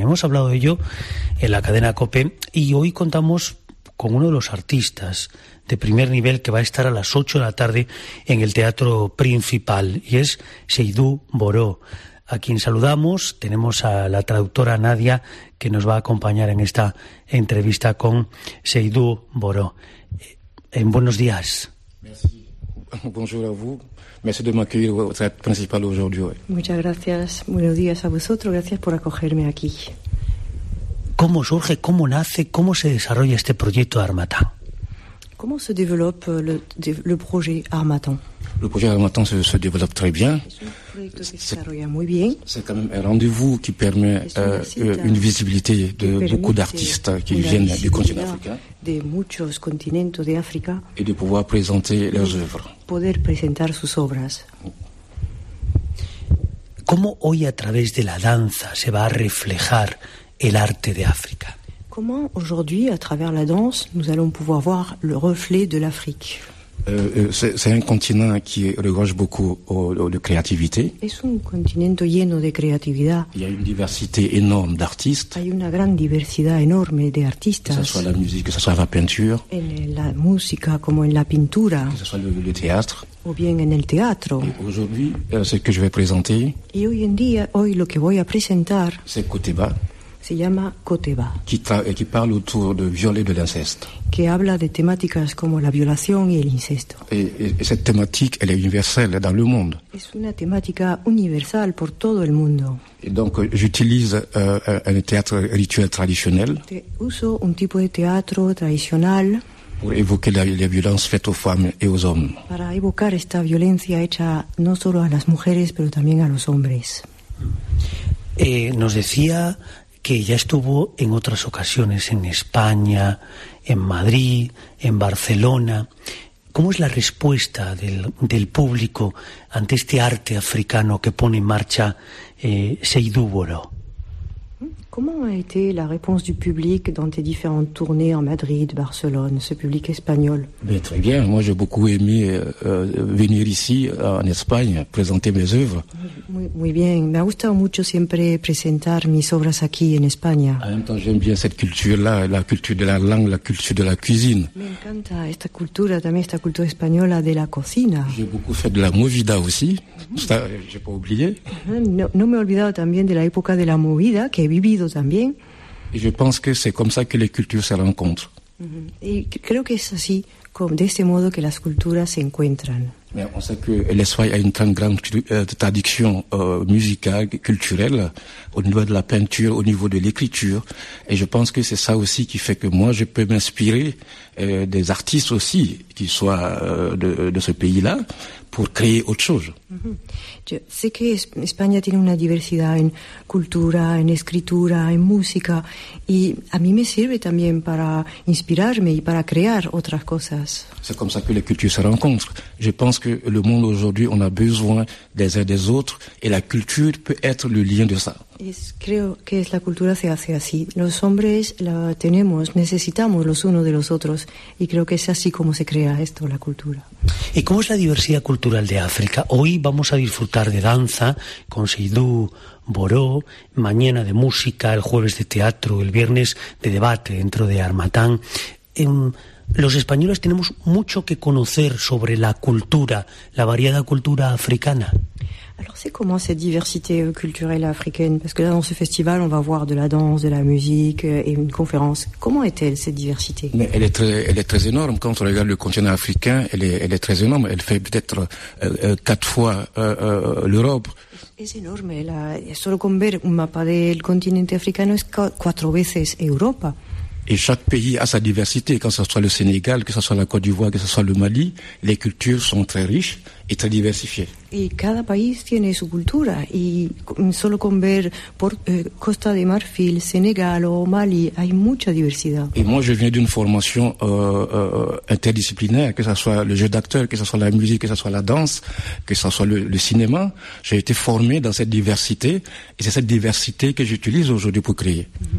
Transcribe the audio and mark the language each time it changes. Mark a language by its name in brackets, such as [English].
[Spanish] Hemos hablado de ello en la cadena COPE y hoy contamos con uno de los artistas de primer nivel que va a estar a las 8 de la tarde en el Teatro Principal, y es Seydou Boro, a quien saludamos. Tenemos a la traductora Nadia, que nos va a acompañar en esta entrevista con Seydou Boro. Buenos días. [French] Bonjour à vous. Merci de m'accueillir au théâtre principal aujourd'hui. [Spanish] Muchas gracias. Buenos días a vosotros. Gracias por acogerme aquí. ¿Cómo surge, cómo nace, cómo se desarrolla este proyecto Harmattan? ¿Cómo [French] se développe le projet Harmattan? Le projet Harmattan se développe très bien. [Spanish] Se desarrolla muy bien. [French] C'est quand même un rendez-vous qui permet une visibilité de beaucoup d'artistes qui viennent du continent africain. [Spanish] De muchos continentes de África. Y de poder presentar [French] leurs œuvres. [Spanish] Poder presentar sus obras. ¿Cómo hoy a través de la danza se va a reflejar el arte de África? ¿Cómo [French] aujourd'hui [Spanish] a través de la danza [French] nous allons pouvoir voir le reflet de l'Afrique? C'est un continent qui regorge beaucoup de créativité. [Spanish] Es un continente lleno de creatividad. [French] Il y a une diversité énorme d'artistes. [Spanish] Hay una gran diversidad enorme de artistas. [French] Que ce soit la musique, que ce soit la peinture. [Spanish] En la música como en la pintura. [French] Que ce soit le théâtre. [Spanish] O bien en el teatro. [French] Et aujourd'hui, ce que je vais présenter. [Spanish] Y hoy en día, hoy lo que voy a presentar. [French] C'est Koteba. [Spanish] se llama Coteba. [French] Qui parle autour de viol et de l'inceste. [Spanish] Que habla de temáticas como la violación y el incesto. [French] Et cette thématique, elle est universelle dans le monde. [Spanish] Es una temática universal por todo el mundo. [French] Et donc, j'utilise un théâtre rituel traditionnel. [Spanish] Uso un tipo de teatro tradicional. [French] Pour évoquer la violence faite aux femmes et aux hommes. [Spanish] Para evocar esta violencia hecha no solo a las mujeres, pero también a los hombres. Nos decía que ya estuvo en otras ocasiones en España, en Madrid, en Barcelona. ¿Cómo es la respuesta del público ante este arte africano que pone en marcha Seydou Bolo? [French] Comment a été la réponse du public dans tes différentes tournées en Madrid, Barcelone, ce public espagnol? Mais très bien, moi j'ai beaucoup aimé venir ici en Espagne présenter mes œuvres. [Spanish] Muy, muy bien, me ha gustado mucho siempre presentar mis obras aquí en España. [French] En même temps, j'aime bien cette culture-là, la culture de la langue, la culture de la cuisine. [Spanish] Me encanta esta cultura, también esta cultura española de la cocina. [French] J'ai beaucoup fait de la movida aussi, ça j'ai pas oublié. [Spanish] No me he olvidado también de la época de la movida que he vivido. También. [French] Et je pense que c'est comme ça que les cultures se rencontrent. Mm-hmm. [Spanish] Et creo que es así, de este modo que las culturas se encuentran. [French] Mais on sait que l'Espagne a une très grande tradition musicale, culturelle, au niveau de la peinture, au niveau de l'écriture. Et je pense que c'est ça aussi qui fait que moi, je peux m'inspirer des artistes aussi, qui soient de ce pays-là, pour créer autre chose. Mm-hmm. Je sais que [Spanish] España tiene una diversidad en cultura, en escritura, en música. Y a mí me sirve también para inspirarme y para crear otras cosas. [French] C'est comme ça que les cultures se rencontrent. Je pense que le monde aujourd'hui, on a besoin des uns des autres et la culture peut être le lien de ça. [Spanish] Creo que la cultura se hace así. Los hombres la tenemos, necesitamos los unos de los otros y creo que es así como se crea esto, la cultura. ¿Y cómo es la diversidad cultural de África? Hoy vamos a disfrutar de danza con Seydou Bolo, mañana de música, el jueves de teatro, el viernes de debate dentro de Harmattan. Los españoles tenemos mucho que conocer sobre la cultura, la variada cultura africana. [French] Alors c'est comment cette diversité culturelle africaine? Parce que là dans ce festival on va voir de la danse, de la musique et une conférence. Comment est-elle cette diversité? Mais elle est très énorme. Quand on regarde le continent africain, elle est très énorme. Elle fait peut-être quatre fois l'Europe. [Spanish] Es enorme. Solo con ver un mapa del continente africano es cuatro veces Europa. [French] Et chaque pays a sa diversité, que ce soit le Sénégal, que ce soit la Côte d'Ivoire, que ce soit le Mali, les cultures sont très riches et très diversifiées. [Spanish] Et cada país tiene su cultura, y solo con ver Costa de Marfil, Sénégal o Mali, hay mucha diversidad. [French] Et moi je viens d'une formation interdisciplinaire, que ce soit le jeu d'acteur, que ce soit la musique, que ce soit la danse, que ce soit le cinéma, j'ai été formé dans cette diversité, et c'est cette diversité que j'utilise aujourd'hui pour créer.